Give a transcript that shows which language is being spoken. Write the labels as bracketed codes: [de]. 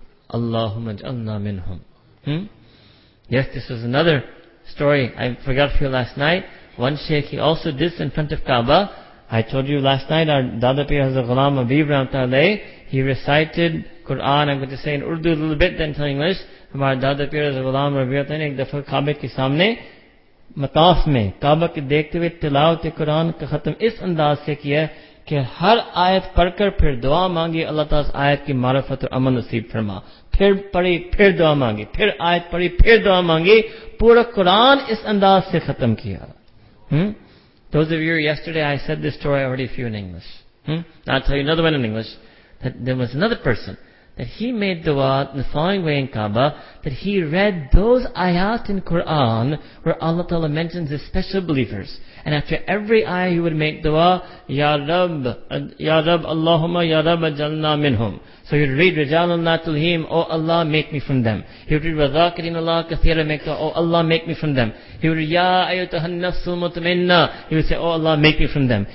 [ar] Allahumma ij'alna minhum. [en] Yes, this was another story I forgot for you last night. One shaykh, he also did this in front of Kaaba. I told you last night, our Dada Pir Hazrat Ghulam Habib Ramtaleh, he recited Quran. I'm going to say in Urdu a little bit, then tell English. From our Dada Pir Hazrat Ghulam Rabiatani, the Kaaba [ur] ki samne. مطاف میں کعبہ کے دیکھتے ہوئے تلاوت قرآن کا ختم اس انداز سے کیا کہ ہر آیت پڑھ کر پھر دعا مانگی اللہ تعالیٰ اس آیت کی معرفت اور امن نصیب فرما پھر پڑھی پھر دعا مانگی پھر آیت پڑھی پھر دعا مانگی پورا قرآن اس انداز سے ختم کیا [en] Those of you yesterday I said this story already a few in English I'll tell you another one in English that there was another person that he made dua in the following way in Kaaba, that he read those ayat in Quran where Allah Ta'ala mentions his special believers. And after every ayah he would make dua, Ya Rab, [ar] Allahumma Ya Rab ajalna minhum. [en] So he would read, [ar] Rajalun la tulhim, [en] O Allah, make me from them. He would read, [ar] Wadhakirin Allah kathira [en] make dua, O Allah, make me from them. He would read, [ar] Ya ayatuhan nafsul mutmainna. [en] He would say, O Allah, make me from them.